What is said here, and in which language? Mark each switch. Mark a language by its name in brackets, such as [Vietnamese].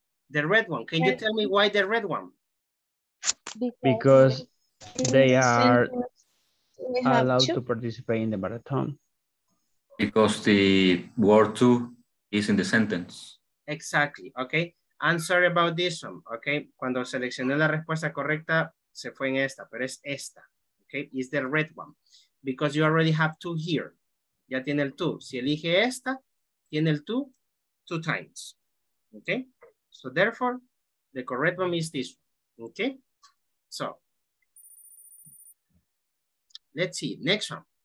[English] The red one. Can you tell me why the red one? Because they are allowed to participate in the marathon. Because the word two is in the sentence. Exactly, okay? I'm sorry about this one, okay? [Spanish] Cuando seleccioné la respuesta correcta, se fue en esta, pero es esta, okay? [English] It's the red one, because you already have two here. [Spanish] Ya tiene el two. Si elige esta, tiene el two times, okay? [English] So therefore, the correct one is this one, okay? So, let's see, next one.